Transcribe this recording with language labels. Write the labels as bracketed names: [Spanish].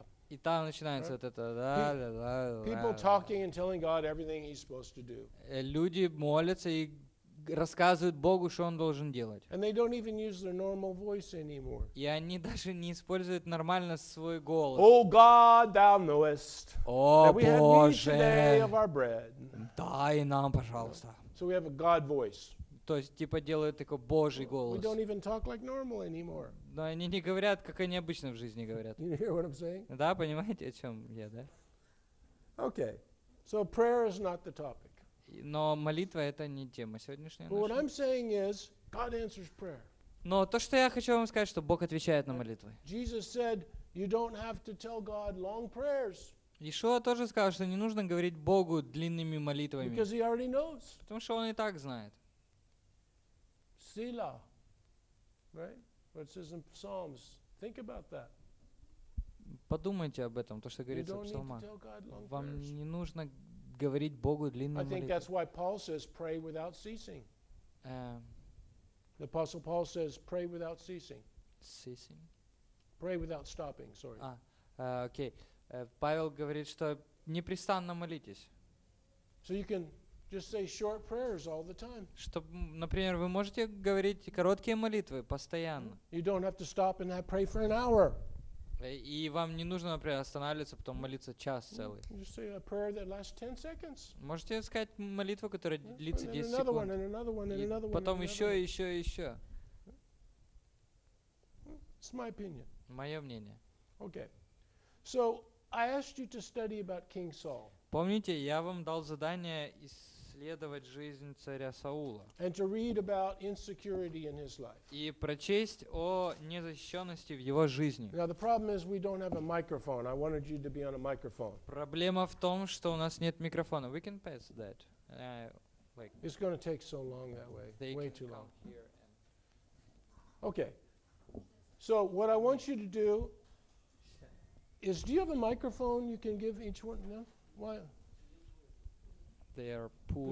[Russian] И там начинается вот это [English] People talking and telling God everything he's supposed to do. [Russian] Люди молятся и рассказывают Богу, что он должен делать. [English] And they don't even use their normal voice anymore. [Russian] И они даже не используют нормально свой голос. [English] Oh God, thou knowest. [Russian] О, Боже. [English] Of our bread. [Russian] Дай нам, пожалуйста. [English] So we have a God voice. [Russian] То есть типа делают такой Божий голос. [English] We don't even talk like normal anymore. [Russian] Но они не говорят, как они обычно в жизни говорят. [English] You hear what I'm saying? [Russian] Да, понимаете, о чем я, да? [English] Okay. So prayer is not the topic. [Russian] Но молитва — это не тема сегодняшняя. [English] But what I'm saying is, God answers prayer. [Russian] Но то, что я хочу вам сказать, что Бог отвечает на молитвы. [English] Jesus said, you don't have to tell God long prayers. [Russian] Иешуа тоже сказал, что не нужно говорить Богу длинными молитвами. [English] Because he already knows. [Russian] Потому что он и так знает. [English] Sila, right? What it says in Psalms. Think about that. [Russian] Подумайте об этом, то, что говорится в Псалмах. Вам не нужно говорить Богу длинную молитву. [English] I think that's why Paul says pray without ceasing. The apostle Paul says pray without ceasing. Ceasing. Pray without stopping, sorry. Okay. [Russian] Павел говорит, что непрестанно молитесь. [English] So you can just say short prayers all the time. [Russian] Чтоб, например, вы можете говорить короткие молитвы постоянно. [English] You don't have to stop and have pray for an hour. [Russian] И вам не нужно, например, останавливаться, потом молиться час целый. [English] Just say a prayer that lasts 10 seconds. [Russian] Можете сказать молитву, которая длится 10 [English] and another [Russian] секунд. [English] One, and another one, and another [Russian] и потом [English] one, [Russian] еще, [English] another one. [Russian] Еще, еще. [English] It's my opinion. [Russian] Мое мнение. [English] Okay. So, I asked you to study about King Saul. [Russian] Помните, я вам дал задание исследовать жизнь царя Саула. [English] And to read about insecurity in his life. [Russian] И прочесть о незащищенности в его жизни. [English] Now the problem is we don't have a microphone. I wanted you to be on a microphone. [Russian] Проблема в том, что у нас нет микрофона. [English] We can pass that. It's going to take so long that way. Way too long. Okay. So what I want you to do is, do you have a microphone you can give each one? No? Why? They are poor.